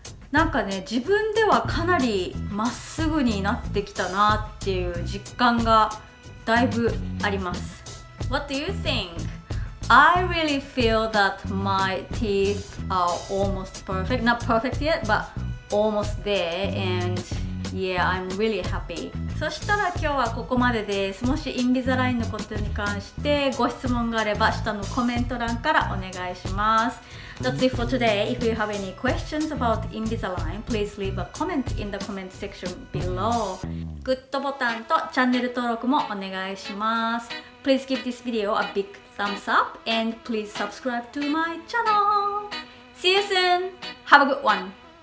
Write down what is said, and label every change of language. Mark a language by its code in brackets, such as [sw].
[ja] なんかね、自分ではかなりまっすぐになってきたなっていう実感がだいぶあります。 [en] What do you think? I really feel that my teeth are almost perfect. Not perfect yet, but almost there. And yeah, I'm really happy. [ja] そしたら今日はここまでです。もしインビザラインのことに関してご質問があれば下のコメント欄からお願いします。 [en] That's it for today. If you have any questions about Invisalign, please leave a comment in the comment section below. [ja] グッドボタンとチャンネル登録もお願いします。 [en] Please give this video a big thumbs up and please subscribe to my channel. See you soon. Have a good one.